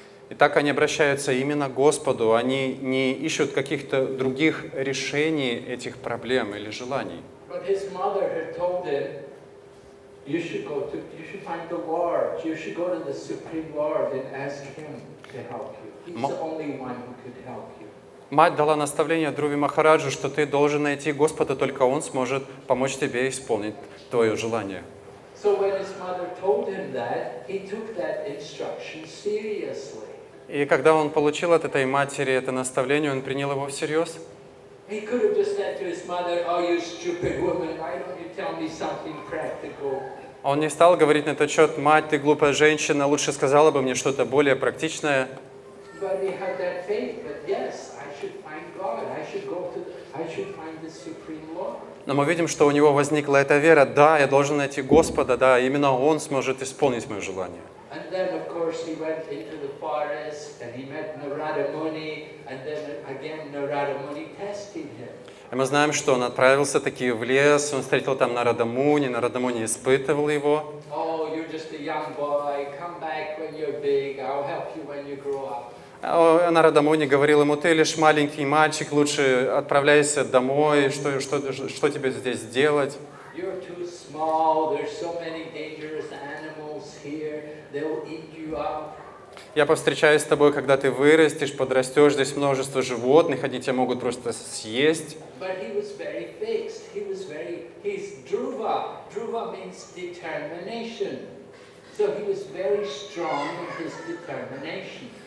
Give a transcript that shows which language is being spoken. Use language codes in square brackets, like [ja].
[ru] Итак, они обращаются именно к Господу, они не ищут каких-то других решений этих проблем или желаний. [en] But his mother had told him, you should find the Lord, you should go to the Supreme Lord and ask him to help you. He's the only one who could help you. [ru] Мать дала наставление Друви Махараджу, что ты должен найти Господа, только Он сможет помочь тебе исполнить твое желание. [en] So when his mother told him that, he took that instruction seriously. [ru] И когда он получил от этой матери это наставление, он принял его всерьез. [en] He could have just said to his mother, "Oh, you stupid woman! Why don't you tell me something practical?" [ru] Он не стал говорить на этот счет, мать, ты глупая женщина, лучше сказала бы мне что-то более практичное. [en] But he had that faith. But yes, I should find God. I should find the Supreme Lord. [ru] Но мы видим, что у него возникла эта вера. Да, я должен найти Господа. Да, именно Он сможет исполнить мое желание. [en] And then, of course, he went into the forest and he met Narada Muni. And then again, Narada Muni tested him. [ru] И мы знаем, что он отправился таки в лес, он встретил там Нарада Муни, Нарада Муни испытывал его. [en] Oh, you're just a young boy. Come back when you're big. I'll help you when you grow up. [ru] Нарада Муни говорил ему, ты лишь маленький мальчик, лучше отправляйся домой, что тебе здесь делать? [en] You're too small, there's so many dangerous animals here, they will eat you up. [ru] Я повстречаюсь с тобой, когда ты вырастешь, подрастешь, здесь множество животных, они тебя могут просто съесть. [en] But he was very fixed, he was very, he's Dhruva, Dhruva means determination, so he was very strong in his determination.